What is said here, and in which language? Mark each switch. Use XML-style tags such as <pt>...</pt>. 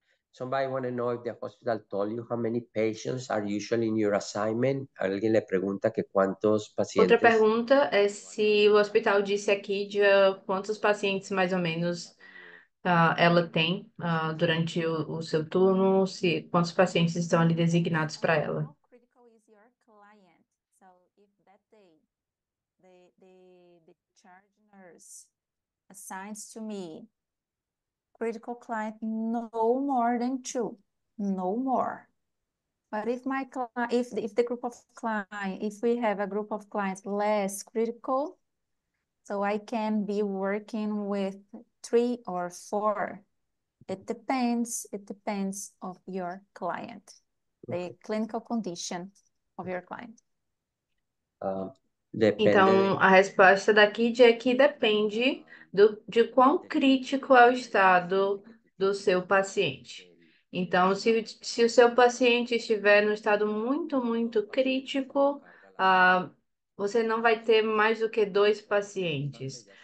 <en>Somebody want to know if the hospital told you how many patients are usually in your assignment.</en> <pt>Alguém lhe pergunta que quantos pacientes. Outra pergunta é se o hospital disse aqui de quantos pacientes mais ou menos ela tem durante o seu turno, se quantos pacientes estão ali designados para ela.</pt> <en>How critical is your client? So if that day the charge nurse assigns to me critical client no more than two, no more. But if my client, if the group of client, if we have a group of clients less critical, so I can be working with three or four. It depends of your client, the clinical condition of your client.</en> <pt>Depende. Então, a resposta da Kid é que depende de quão crítico é o estado do seu paciente. Então, se o seu paciente estiver no estado muito, muito crítico, você não vai ter mais do que dois pacientes.</pt>